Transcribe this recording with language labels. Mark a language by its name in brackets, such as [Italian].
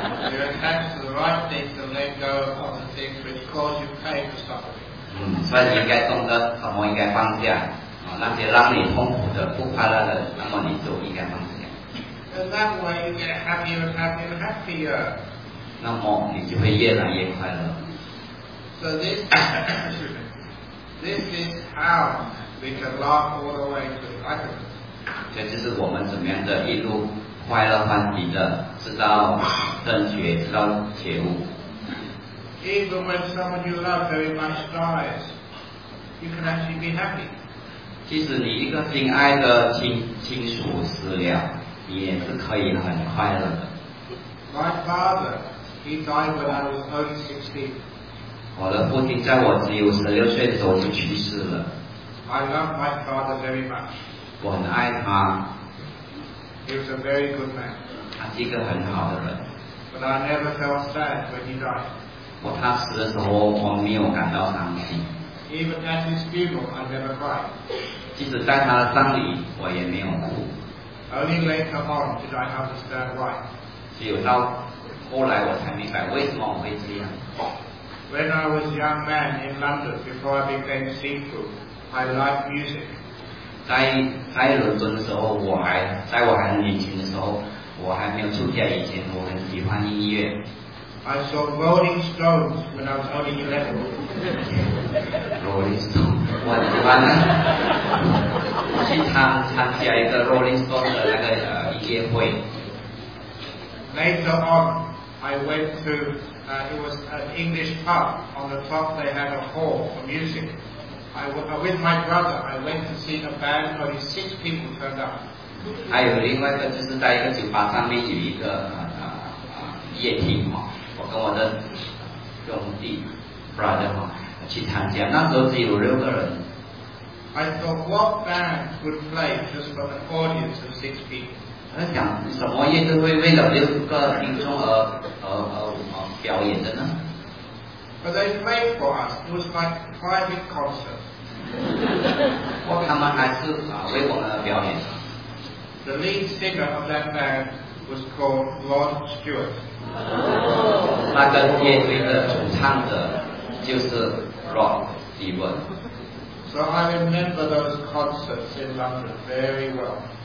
[English] You're attached to the right things and let go of the things which cause you pain or suffering. [Chinese] 所以应该懂得什么应该放下，那些让你痛苦的、不快乐的，那么你就应该放下。 [English] And that way you get happier and happier and happier. [Chinese] 那么你就会越来越快乐。 [English] So this is how we can laugh all the way to heaven. [Chinese] 这就是我们怎么样的一路快乐欢喜的，直到正觉，直到觉悟。 [English] Even when someone you love very much dies, you can actually be happy. [Chinese] 即使你一个心爱的亲属死了，你也是可以很快乐的。 [English] My father. He died when I was only 16. [Chinese] 我的父亲在我只有十六岁的时候就去世了。 [English] I love my father very much. [Chinese] 我很爱他。 [English] He was a very good man. [Chinese] 他是一个很好的人。 [English] But I never felt sad when he died. [Chinese] 我他死的时候，我没有感到伤心。 [English] Even at his funeral, I never cried. [Chinese] 即使在他的葬礼，我也没有哭。 [English] Only later on did I understand why. [Chinese] 只有到后来我才明白为什么我会这样。 [English] When I was a young man in London before I became Sikhu, I liked music. [Chinese] 在伦敦的时候，我还很年轻的时候，我还没有出嫁以前，我很喜欢音乐。 [English] I saw Rolling Stones when I was only 11. [Chinese] Rolling Stones， 我喜欢啊！我去参加一个 Rolling Stones 的那个音乐会。 [English] Later on. I went to, it was an English pub, on the top they had a hall for music. With my brother, I went to see a band, only six people turned up. [Chinese] 还有另外一个就是在一个酒吧上面有一个夜厅嘛，我跟我的兄弟 brother 嘛去参加，那时候只有六个人。 [English] I thought what band would play just for an audience of six people? [Chinese] 他想什么乐队会为了六个听众而表演的呢 [English] ？But they played for us. It was like a private concert. [Chinese] 我他们还是为我们而表演。 [English] The lead singer of that band was called Rod Stewart. [Chinese] 那个乐队的主唱者就是 Rod Stewart. [English] So I remember those concerts in London very well.